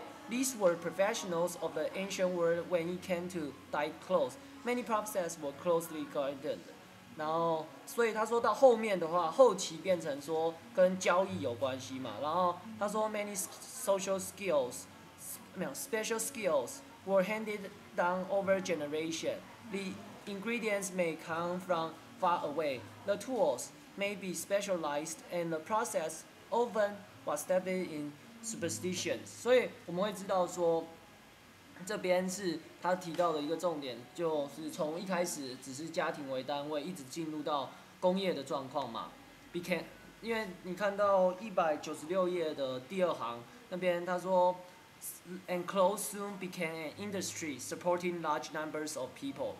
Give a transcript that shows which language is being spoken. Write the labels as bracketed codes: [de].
[en] These were professionals of the ancient world when it came to dyed clothes. Many processes were closely guarded. [zh] 然后，所以他说到后面的话，后期变成说跟交易有关系嘛。然后他说 [en] many social skills, special skills were handed down over generation. The ingredients may come from far away. The tools may be specialized and the process often was stepped in superstitions. [zh] 所以我们会知道说这边是他提到的一个重点，就是从一开始只是家庭为单位，一直进入到工业的状况嘛。因为你看到196页的第二行那边，他说 [en] And clothes soon became an industry supporting large numbers of people.